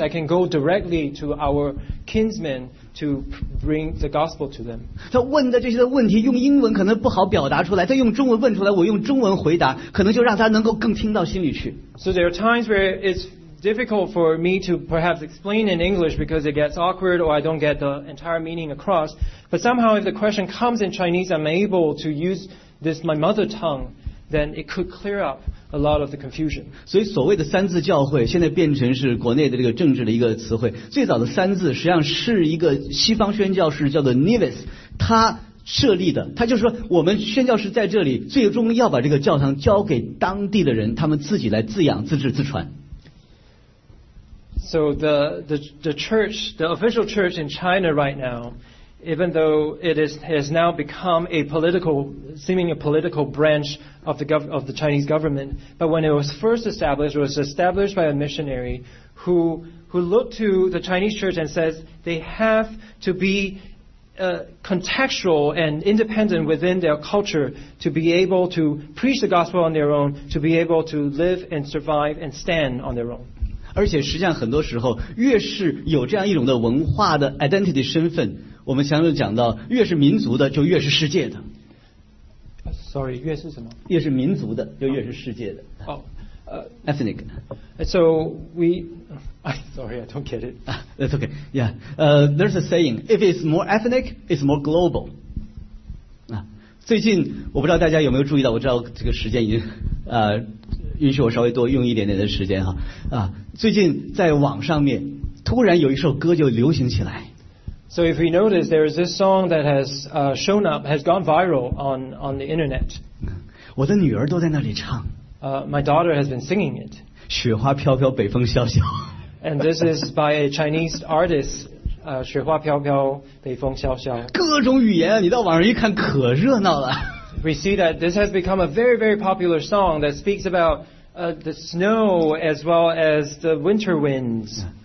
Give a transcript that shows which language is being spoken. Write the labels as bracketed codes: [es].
[en] I can go directly to our kinsmen to bring the gospel to them. [zh] 他问的这些问题用英文可能不好表达出来，他用中文问出来，我用中文回答，可能就让他能够更听到心里去。 [en] So there are times where it's difficult for me to perhaps explain in English because it gets awkward or I don't get the entire meaning across. But somehow if the question comes in Chinese, I'm able to use this my mother tongue. Then it could clear up a lot of the confusion. [zh] 所以所谓的三字教会现在变成是国内的这个政治的一个词汇。最早的三字实际上是一个西方宣教士叫做 Nevis， 他设立的。他就是说，我们宣教士在这里，最终要把这个教堂交给当地的人，他们自己来自养、自治、自传。 [en] So the church, the official church in China right now. Even though it is, has now become a political, seeming a political branch of the, of the Chinese government, but when it was first established, it was established by a missionary who looked to the Chinese church and says they have to be, contextual and independent within their culture to be able to preach the gospel on their own, to be able to live and survive and stand on their own. [zh] 而且实际上很多时候越是有这样一种的文化的 identity 身份，我们常常讲到越是民族的就越是世界的。 [en] Sorry， [zh] 越是什么？越是民族的就越是世界的。 [en] Ethnic. So we, sorry, I don't get it. That's okay. Yeah. There's a saying, if it's more ethnic, it's more global. [zh] 最近我不知道大家有没有注意到，我知道这个时间已经允许我稍微多用一点点的时间哈。最近在网上面突然有一首歌就流行起来。 [en] So if you notice, there is this song that has shown up, has gone viral on the internet. [zh] 我的女儿都在那里唱。 [en] My daughter has been singing it. [zh] 雪花飘飘北风萧萧。 [en] And this is by a Chinese artist, [zh] 雪花飘飘北风萧萧。各种语言你到网上一看可热闹了。 [en] We see that this has become a very, very popular song that speaks about the snow as well as the winter winds.